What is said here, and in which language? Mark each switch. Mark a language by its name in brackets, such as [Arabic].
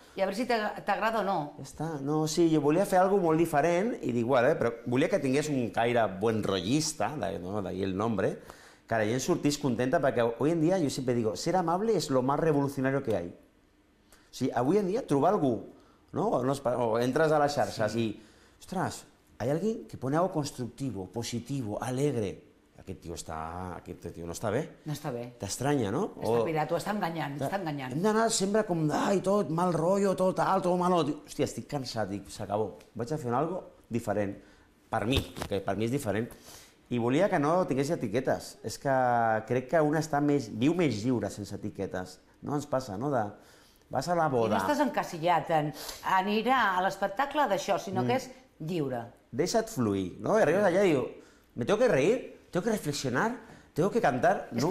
[Catalan] I a veure si t'agrada o no. Ja està. No, sí, jo volia fer alguna cosa molt diferent i dic, bueno, però volia que tingués un caire buen rollista, d'ahir el nombre, que la gent sortís contenta perquè avui en dia, jo sempre digo, ser amable és [Spanish] lo más revolucionario que hay. [Catalan] O sigui, avui en dia trobar algú, no? O entres a les xarxes sí. I, ostres, [Spanish] hay alguien que pone algo constructivo, positivo, alegre. [Catalan] Aquest tio no està bé. No està bé. T'estranya, no? Està pirat, t'ho està enganyant, està enganyant. Hem d'anar sempre com, ai, tot, mal rotllo, tot, alt, tot malo. Hòstia, estic cansat, dic, s'acabó. Vaig a fer una cosa diferent, per mi, que per mi és diferent. I volia que no tingués etiquetes. És que crec que un està més, viu més lliure sense etiquetes. No ens passa, no? Vas a la boda... I no estàs encasillat en anar a l'espectacle d'això, sinó que és lliure. Deixa't fluir, no? I arribes allà i dius, [Spanish] me tengo que reír, tengo que reflexionar, tengo que cantar, no